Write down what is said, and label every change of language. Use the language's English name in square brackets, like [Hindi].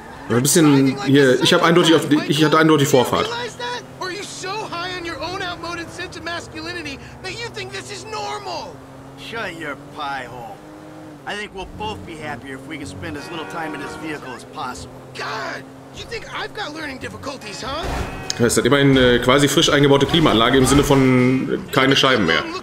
[German] Ein bisschen hier, ich hatte eindeutig Vorfahrt. [English] Are you so high on your own outmoded sense of masculinity that you think this is normal? Shut your pie hole. I think we'll both be happier if we can spend as little time in this vehicle as possible. God! You think I've got learning difficulties, huh? [German] Das ist halt immerhin eine quasi frisch eingebaute Klimaanlage im Sinne von keine Scheiben mehr.